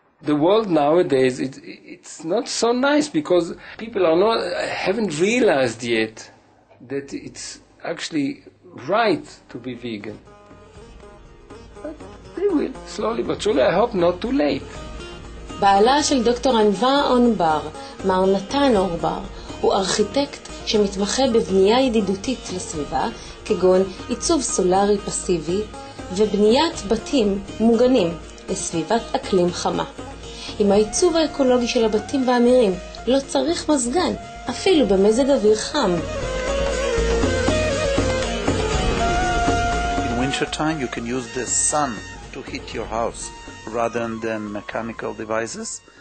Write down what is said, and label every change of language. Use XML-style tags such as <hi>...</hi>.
<en>The world nowadays, it's not so nice, because people haven't realized yet that it's actually right to be vegan. But they will, slowly but surely, I hope not too late.</en> <he>בעלה של דוקטור ענווה אונבר, מר נתן אורבר, הוא ארכיטקט שמתמחה בבנייה ידידותית לסביבה, כגון עיצוב סולרי פסיבי, ובניית בתים מוגנים לסביבת אקלים חמה. עם העיצוב האקולוגי של הבתים והמירים, לא צריך מזגן, אפילו במזג אוויר חם.</he> <en>In winter time you can use the sun to heat your house rather than mechanical devices.</en>